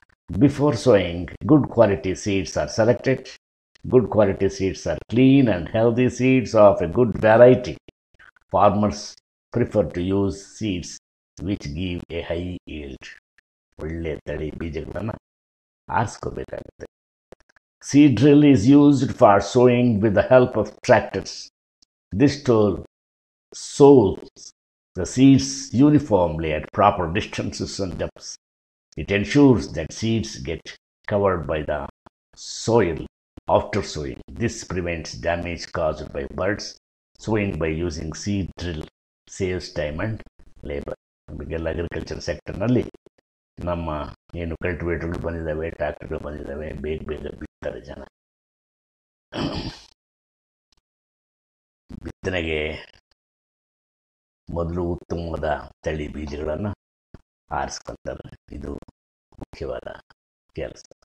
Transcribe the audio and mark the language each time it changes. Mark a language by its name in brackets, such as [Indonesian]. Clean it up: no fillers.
[English] Before sowing, good quality seeds are selected. Good quality seeds are clean and healthy seeds of a good variety. Farmers prefer to use seeds which give a high yield. [Kannada] ಒಳ್ಳೆಯ ತಳಿ ಬೀಜಗಳನ್ನು ಆರಿಸ್ಕೋಬೇಕಾಗುತ್ತೆ. [English] Seed drill is used for sowing with the help of tractors. This tool sows the seeds uniformly at proper distances and depths. It ensures that seeds get covered by the soil after sowing. This prevents damage caused by birds. Sowing by using seed drill saves time and labor. [Kannada] ಬಿಗೆಲ್ಲ agriculture ಸೆಕ್ಟರ್ನಲ್ಲಿ ನಮ್ಮ ಏನು ಕಲ್ಟಿವೇಟರ್ಗಳು ಬಂದಿದ್ದಾವೆ, ಟ್ರ್ಯಾಕ್ಟರ್ಗಳು ಬಂದಿದ್ದಾವೆ, ಬೇಗ ಬೇಗ ಬಿತ್ತಾರೆ ಜನ. ಬಿತ್ತನೆಗೆ ಮೊದಲು ಉತ್ತಮವಾದ ತಳಿ ಬೀಜಗಳನ್ನು ಆರಿಸ್ಕೊಂತಾರೆ, ಇದು ಮುಖ್ಯವಾದ ಕೆಲಸ.